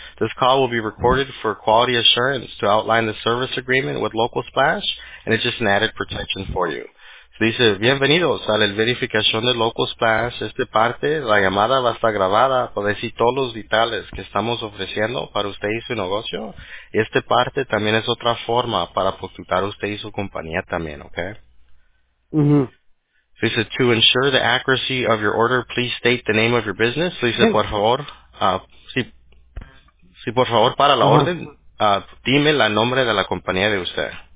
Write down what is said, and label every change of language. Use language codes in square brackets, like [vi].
[en] This call will be recorded for quality assurance to outline the service agreement with Local Splash, and it's just an added protection for you. [es] Se dice, bienvenidos a la verificación de Local Splash. Esta parte, la llamada va a estar grabada para decir todos los detalles que estamos ofreciendo para usted y su negocio. Y esta parte también es otra forma para postular usted y su compañía también, okay? Mm-hmm. [en] He said, to ensure the accuracy of your order, please state the name of your business. He said, [es] por favor, si por favor para la orden, dime el nombre de la compañía de usted.